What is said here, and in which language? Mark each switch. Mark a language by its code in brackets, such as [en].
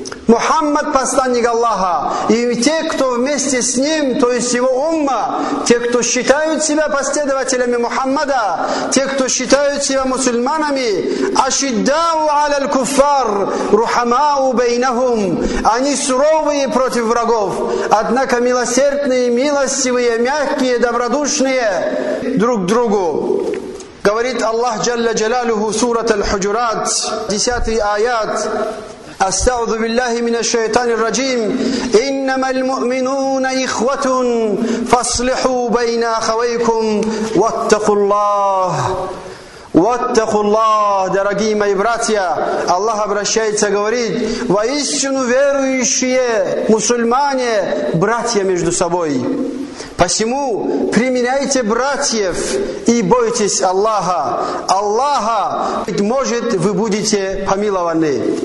[ru] Мухаммад – посланник Аллаха. И те, кто вместе с ним, то есть его умма, те, кто считают себя последователями Мухаммада, те, кто считают себя мусульманами, [ar] «Ашиддау аляль куффар, рухамау бейнахум». [ru] Они суровые против врагов, однако милосердные, милостивые, мягкие, добродушные друг к другу. Говорит Аллах Джалля Джалалюху, сурат Аль-Худжурат, 10 аят. [ar] أستعوذ بالله من الشيطان الرجيم إنما المؤمنون إخوة فاصلحوا بين أخويكم واتقوا الله واتقوا الله دراجي [ru] мои братья. Аллах обращается, говорит: воистину верующие мусульмане братья между собой. Посему применяйте братьев и бойтесь Аллаха. Аллаха, ведь может вы будете помилованы.